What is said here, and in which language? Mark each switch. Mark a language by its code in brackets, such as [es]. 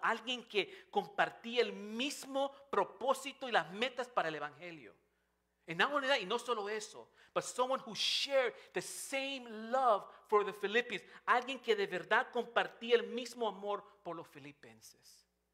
[es] Alguien que compartía el mismo propósito y las metas para el evangelio. [en] And not only that, [es] y no solo eso, [en] but someone who shared the same love for the Philippians. [es] Alguien que de verdad compartía el mismo amor por los filipenses.